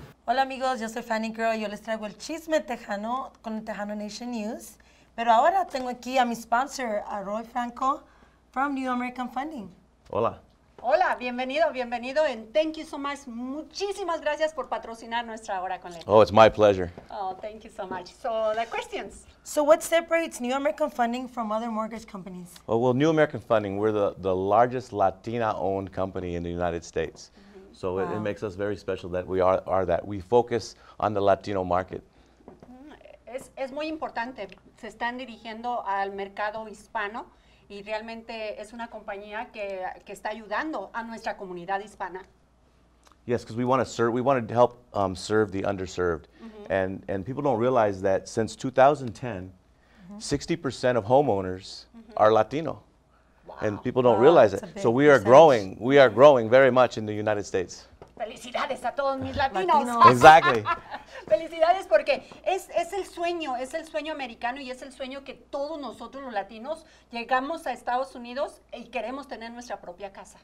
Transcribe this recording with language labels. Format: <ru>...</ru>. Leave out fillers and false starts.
<es>Hola amigos, yo soy Fanny Girl y yo les traigo el chisme tejano con el Tejano Nation News. Pero ahora tengo aquí a mi sponsor, a Roy Franco, from New American Funding. Hola. Hola, bienvenido,</es> <en>and thank you so much.</en> <es>Muchísimas gracias por patrocinar nuestra hora con Leti.</es> <en>Oh, it's my pleasure. Oh, thank you so much. So, the questions. So, what separates New American Funding from other mortgage companies? Well, New American Funding, we're the largest Latina-owned company in the United States. So wow. It makes us very special that we are that. We focus on the Latino market.</en> <es>Es muy importante. Se están dirigiendo al mercado hispano y realmente es una compañía que está ayudando a nuestra comunidad hispana.</es> <en>Yes, because we want to help serve the underserved. Mm-hmm. And people don't realize that since 2010, 60% of homeowners are Latino. And people don't realize it. So we are growing. We are growing very much in the United States.</en> <es>Felicidades a todos mis latinos.</es> <en>Exactly.</en> <es>Felicidades porque es el sueño americano y es el sueño que todos nosotros los latinos llegamos a Estados Unidos y queremos tener nuestra propia casa.</es>